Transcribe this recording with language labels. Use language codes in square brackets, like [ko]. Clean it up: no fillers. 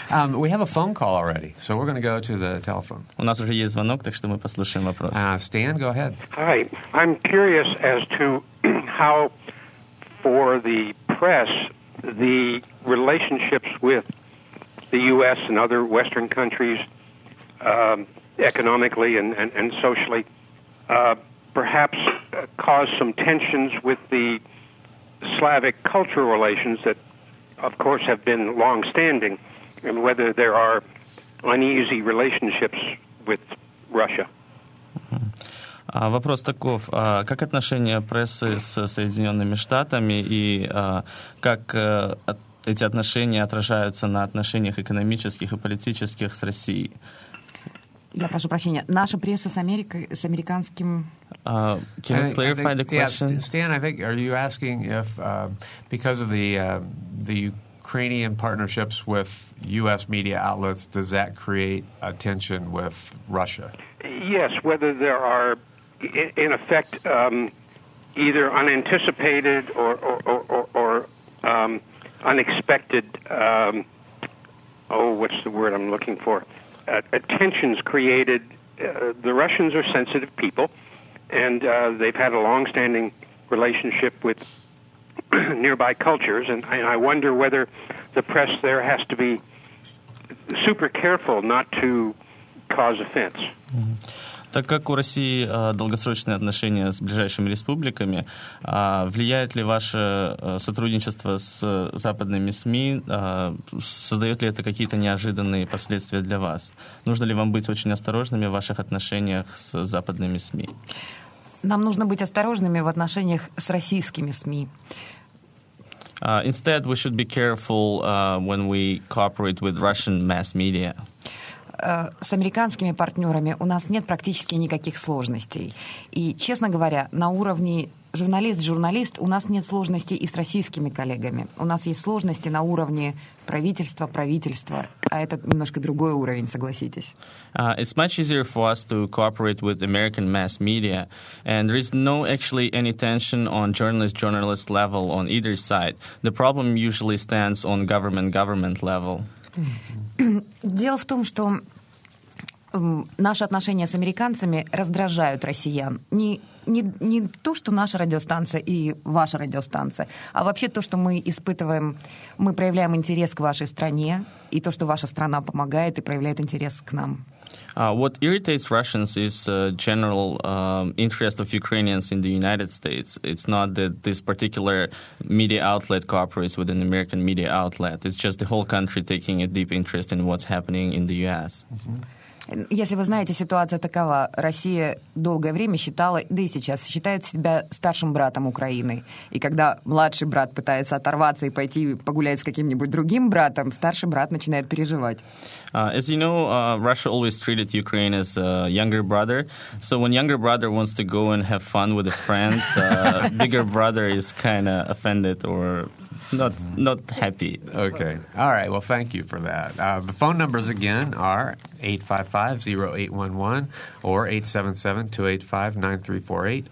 [en] We have a phone call already, so we're going to go to the telephone. [ru] У нас уже есть звонок, так что мы послушаем вопрос. [en] Stan, go ahead. Hi, I'm curious as to how, for the press, the relationships with the U.S. and other Western countries, economically and socially, perhaps cause some tensions with the Slavic cultural relations that, of course, have been long-standing, and whether there are uneasy relationships with Russia. [ru] Вопрос таков. Как отношения прессы с Соединенными Штатами и как эти отношения отражаются на отношениях экономических и политических с Россией? Я прошу прощения. Наша пресса с Америкой, с американским... [en] Can you clarify the question? Yeah, Stan, I think, are you asking if because of the Ukrainian partnerships with U.S. media outlets, does that create a tension with Russia? Yes, whether there are, in effect, either unanticipated or unexpected, what's the word I'm looking for? Tensions created. The Russians are sensitive people, and they've had a long-standing relationship with nearby cultures. And I wonder whether the press there has to be super careful not to cause offense. Mm-hmm. [ru] Так как у России долгосрочные отношения с ближайшими республиками, влияет ли ваше сотрудничество с западными СМИ, создает ли это какие-то неожиданные последствия для вас? Нужно ли вам быть очень осторожными в ваших отношениях с западными СМИ? Нам нужно быть осторожными в отношениях с российскими СМИ. [en] Instead, we should be careful when we cooperate with Russian mass media. [ru] С американскими партнерами у нас нет практически никаких сложностей. И, честно говоря, на уровне журналист-журналист у нас нет сложностей и с российскими коллегами. У нас есть сложности на уровне правительства-правительства. А это немножко другой уровень, согласитесь. [en] It's much easier for us to cooperate with American mass media. And there is no actually any tension on journalist-journalist level on either side. The problem usually stands on government-government level. [ru] Дело в том, что наши отношения с американцами раздражают россиян. Не то, что наша радиостанция и ваша радиостанция, а вообще то, что мы испытываем, мы проявляем интерес к вашей стране, и то, что ваша страна помогает и проявляет интерес к нам. [en] What irritates Russians is general interest of Ukrainians in the United States. It's not that this particular media outlet cooperates with an American media outlet. It's just the whole country taking a deep interest in what's happening in the U.S. Mm-hmm. [ru] Если вы знаете, ситуация такова. Россия долгое время считала, да и сейчас, считает себя старшим братом Украины. И когда младший брат пытается оторваться и пойти погулять с каким-нибудь другим братом, старший брат начинает переживать. [en] As you know, Russia always treated Ukraine as a younger brother. So when younger brother wants to go and have fun with a friend, bigger brother is kind of offended or not happy. Okay. All right. Well, thank you for that. The phone numbers again are 855-0811 or 877-285-9348.